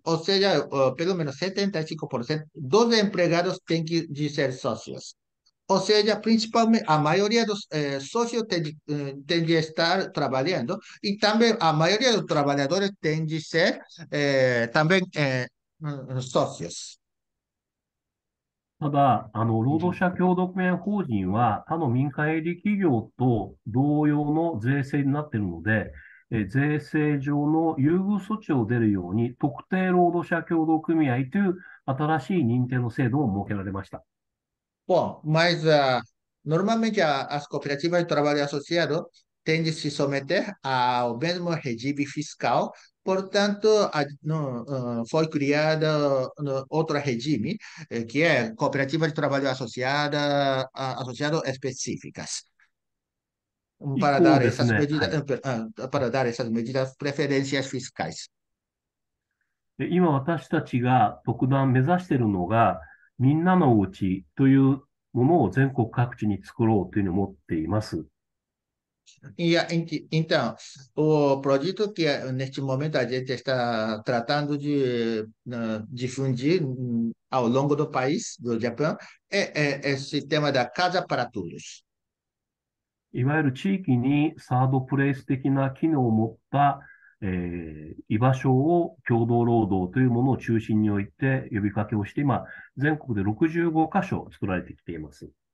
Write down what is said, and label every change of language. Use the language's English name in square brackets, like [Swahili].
[Portuguese] Ou seja, pelo menos 75% dos empregados tem que de ser sócios. Ou seja, principalmente a maioria dos sócios tem de estar trabalhando, e também a maioria dos trabalhadores tem de ser também sócios. [Japanese] ただ、労働者協同組合法人は他の民間営利企業と同様の税制になっているので、税制上の優遇措置を出るように、特定労働者協同組合という新しい認定の制度を設けられました。 [Portuguese] Bom, mas normalmente as cooperativas de trabalho associado tendem a se someter ao mesmo regime fiscal, portanto, foi criado outro regime, que é cooperativa de trabalho associado específicas, [Japanese] 以降ですね、はい。 [Portuguese] para dar essas medidas preferências fiscais. [Japanese] 今私たちが特段目指しているのが、みんなのおうちというものを全国各地に作ろうというふうに思っています。 [Portuguese] Então, o projeto que neste momento a gente está tratando de difundir ao longo do país, do Japão, é esse tema da Casa para Todos. [Japanese] いわゆる地域にサードプレイス的な機能を持った、居場所を共同労働というものを中心に置いて呼びかけをして、今、全国で65箇所作られてきています。